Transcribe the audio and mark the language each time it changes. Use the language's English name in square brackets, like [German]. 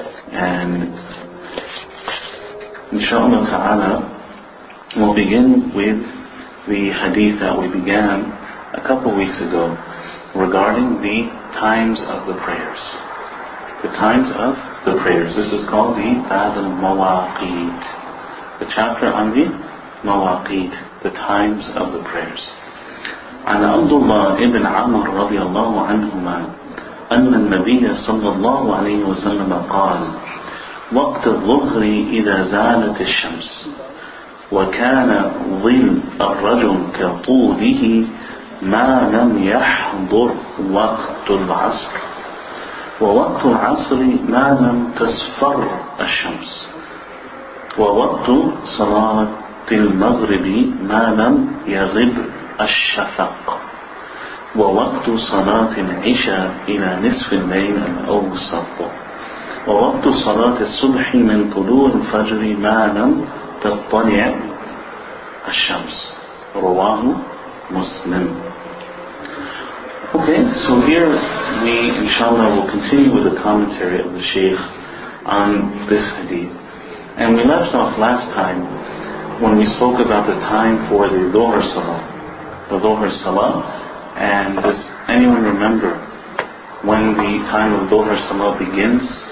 [English] And inshallah ta'ala, we'll begin with the hadith that we began a couple weeks ago regarding the times of the prayers. The times of the prayers. This is called the Bab al-Mawaqit. The chapter on the Mawaqit, the times of the prayers. [Arabic] عن عبد الله ابن عمر رضي الله عنهما أن النبي صلى الله عليه وسلم قال وقت الظهر إذا زالت الشمس وكان ظل الرجل كطوله ما لم يحضر وقت العصر ووقت العصر ما لم تصفر الشمس ووقت صلاة المغرب ما لم يغب الشفق ووقت صلاة العشاء إلى نصف الليل الأوسط ووقت صلاة الصبح من طلوع الفجر ما لم تطلع الشمس رواه مسلم. [English] Okay, so here we inshallah will continue with the commentary of the Shaykh on this hadith. And we left off last time when we spoke about the time for the Dhuhr Salah. The Dhuhr Salah, and does anyone remember when the time of Dhuhr Salah begins?